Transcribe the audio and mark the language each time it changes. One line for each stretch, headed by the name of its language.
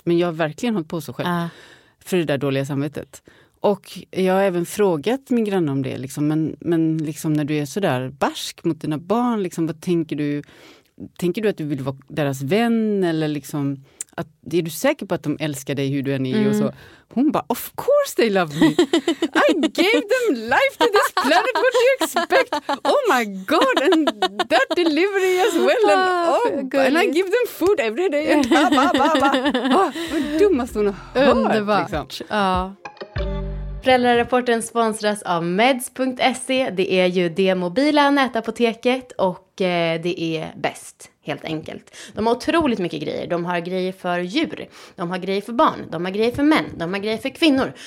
Swedish: Men jag har verkligen hållit på så själv. För det där dåliga samvetet. Och jag har även frågat min granne om det. Liksom. Men liksom, när du är så där barsk mot dina barn, liksom, vad tänker du? Tänker du att du vill vara deras vän eller liksom, att, är du säker på att de älskar dig hur du än är och så? Hon bara,
English: of course they love me. I gave them life to this planet, what do you expect? Oh my god, and that delivery as well. And I give them food every day.
Swedish: Vad dummast hon har hört. Underbart, liksom. Ja. Föräldrarapporten sponsras av meds.se. Det är ju det mobila nätapoteket och det är bäst, helt enkelt. De har otroligt mycket grejer. De har grejer för djur. De har grejer för barn. De har grejer för män. De har grejer för kvinnor.